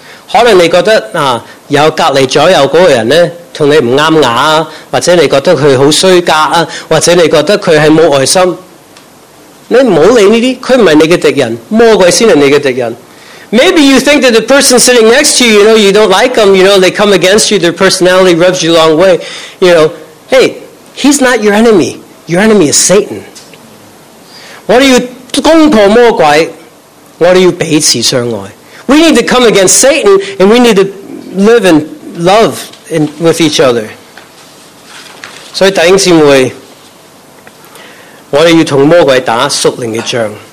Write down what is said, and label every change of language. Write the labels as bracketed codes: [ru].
[yue] 可能你觉得有隔离左右的人呢， 跟你不合眼，或者你觉得他很衰格，或者你觉得他是没有爱心，你不要理这些，他不是你的敌人，魔鬼才是你的敌人。 [en] Maybe you think that the person sitting next to you, you don't like them, they come against you, their personality rubs you a long way. Hey, he's not your enemy. Your enemy is Satan. [yue] 我们要攻破魔鬼，我们要彼此相爱。 [en] We need to come against Satan, and we need to live in love. With each other. So, [yue] 弟兄姊妹, 我们要跟魔鬼打属灵的仗。